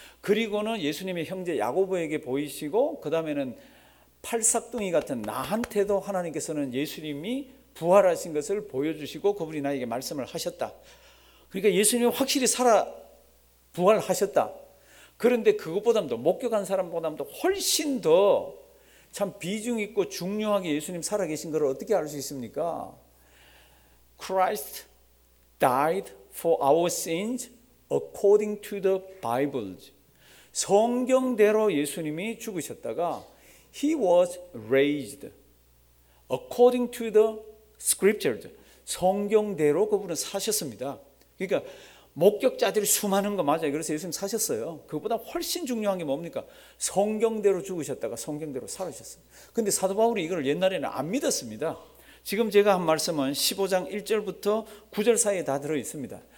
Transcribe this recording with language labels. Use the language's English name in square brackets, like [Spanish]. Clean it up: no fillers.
[Korean] 그리고는 예수님의 형제 야고보에게 보이시고 그 다음에는 팔삭둥이 같은 나한테도 하나님께서는 예수님이 부활하신 것을 보여주시고 그분이 나에게 말씀을 하셨다. 그러니까 예수님이 확실히 살아 부활하셨다. 그런데 그것보다도 목격한 사람보다도 훨씬 더 참 비중 있고 중요하게 예수님 살아계신 걸 어떻게 알 수 있습니까? [English] Christ died for our sins according to the Bible. [Korean] 성경대로 예수님이 죽으셨다가 [English] He was raised according to the scriptures. [Korean] 성경대로 그분은 사셨습니다. 그러니까 목격자들이 수많은 거 맞아요. 그래서 예수님 사셨어요. 그것보다 훨씬 중요한 게 뭡니까? 성경대로 죽으셨다가 성경대로 살아셨어요. 그런데 사도 바울이 이걸 옛날에는 안 믿었습니다. 지금 제가 한 말씀은 15장 1절부터 9절 사이에 다 들어 있습니다.